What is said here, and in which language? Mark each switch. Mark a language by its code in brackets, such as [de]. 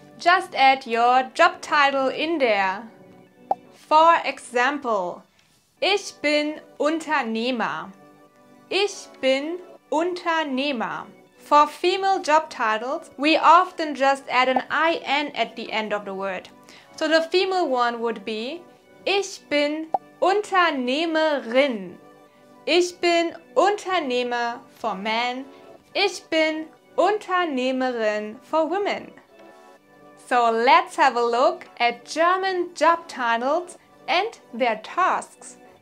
[en] Just add your job title in there. For example, [de] ich bin Unternehmer. Ich bin Unternehmer. [en] For female job titles, we often just add an IN at the end of the word. So the female one would be [de] ich bin Unternehmerin. Ich bin Unternehmer [en] for men. [de] Ich bin Unternehmerin [en] for women. So let's have a look at German job titles and their tasks.